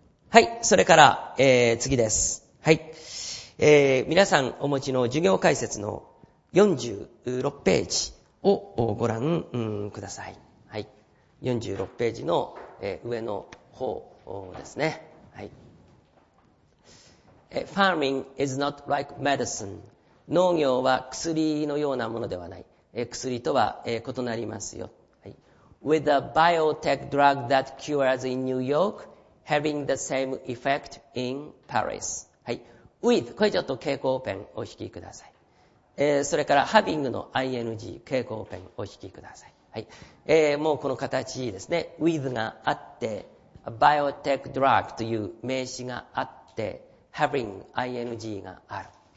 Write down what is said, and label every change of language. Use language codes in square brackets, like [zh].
[ja] はい、それから、次です、はい、皆さんお持ちの授業解説の46ページをご覧ください、はい、46ページの、上の方ですね、はい、 [en] Farming is not like medicine、 [ja] 農業は薬のようなものではない、薬とは、異なりますよ。 [en] With a biotech drug that cures in New York, having the same effect in Paris. [ja] はい。 With、 これちょっと蛍光ペンお引きください。それから having の ing、 蛍光ペンお引きください。はい。もうこの形ですね。With があって、biotech drug という名詞があって、having ing がある。